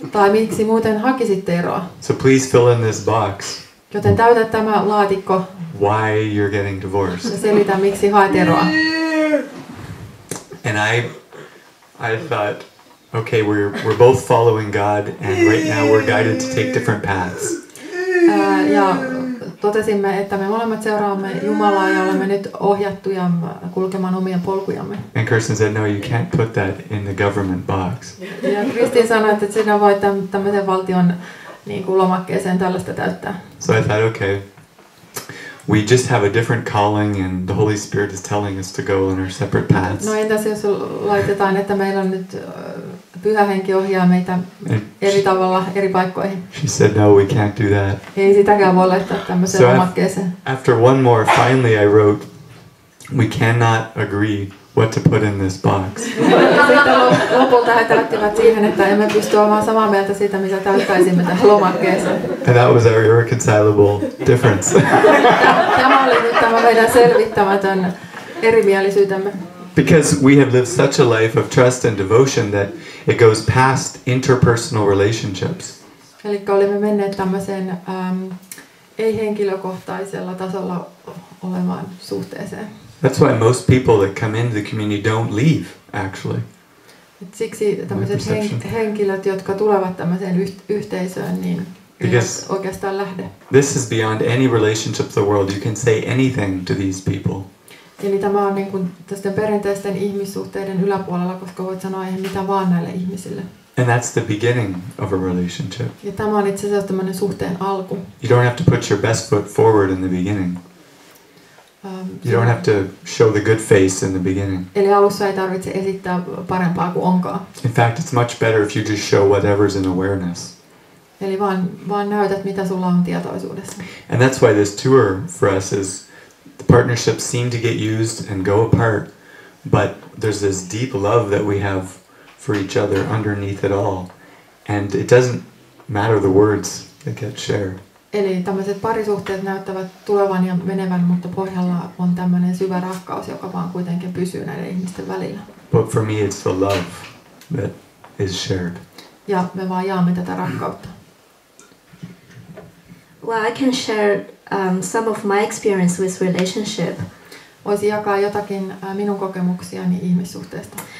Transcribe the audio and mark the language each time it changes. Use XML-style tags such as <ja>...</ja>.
<fi>Tai miksi muuten hakisitte eroa?</fi> <en>So please fill in this box.</en> <fi>Joten täytä tämä laatikko.</fi> <en>Why you're getting divorced?</en> <fi>Selitä miksi haet eroa.</fi> <en>And I thought, okay, we're both following God and right now we're guided to take different paths.</en> <fi>Ja totesimme, että me molemmat seuraamme Jumalaa ja olemme nyt ohjattuja kulkemaan omien polkujamme.</fi> <en>And Kirsten said, no, you can't put that in the government box.</en> <fi>Ja Kristin sanoi, että sinä voit tämmöisen valtion niin kuin lomakkeeseen tällaista täyttää.</fi> <en>So I thought, okay, we just have a different calling and the Holy Spirit is telling us to go on our separate paths.</en> <fi>No entäs jos laitetaan, että meillä on nyt Pyhä Henki ohjaa meitä eri tavalla eri paikkoihin.</fi> <en>She said, no, we can't do that.</en> <fi>Ei sitäkään voi laittaa tämmöiseen lomakkeeseen.</fi> <en>After one more, finally I wrote, we cannot agree what to put in this box.</en> <fi>Lopulta he täyttivät siihen, että emme pysty olemaan samaa mieltä siitä, mitä täyttäisimme tässä lomakkeessa.</fi> <en>And that was our irreconcilable difference.</en> <fi>Tämä oli nyt tämä meidän selvittämätön erimielisyytemme.</fi> <en>Because we have lived such a life of trust and devotion that it goes past interpersonal relationships.</en> <fi>Eli olemme menneet tämmöiseen ei-henkilökohtaisella tasolla olevaan suhteeseen.</fi> <en>That's why most people that come into the community don't leave, actually.</en> <fi>Siksi tämmöiset henkilöt, jotka tulevat tämmöiseen yhteisöön, niin eivät oikeastaan lähde.</fi> <en>This is beyond any relationship of the world. You can say anything to these people.</en> <fi>Eli tämä on niin kuin tästen perinteisten ihmissuhteiden yläpuolella, koska voit sanoa ihan mitä vaan näille ihmisille.</fi> <en>And that's the beginning of a relationship.</en> <fi>Ja tämä on itse asiassa tämmöinen suhteen alku.</fi> <en>You don't have to put your best foot forward in the beginning. You don't have to show the good face in the beginning.</en> <fi>Eli alussa ei tarvitse esittää parempaa kuin onkaan.</fi> <en>In fact, it's much better if you just show whatever's in awareness.</en> <fi>Eli vaan näytät, mitä sulla on tietoisuudessa.</fi> <en>And that's why this tour for us is, the partnerships seem to get used and go apart, but there's this deep love that we have for each other underneath it all. And it doesn't matter the words that get shared.</en> <fi>Eli tämmöiset parisuhteet näyttävät tulevan ja menevän, mutta pohjalla on tämmöinen syvä rakkaus, joka vaan kuitenkin pysyy näiden ihmisten välillä.</fi> <en>But for me it's the love that is shared.</en> <fi>Ja me vaan jaamme tätä rakkautta.</fi> <en>Well, I can share some of my experience with relationship.</en> <fi>Voisin jakaa jotakin minun kokemuksiani ihmissuhteesta.</fi>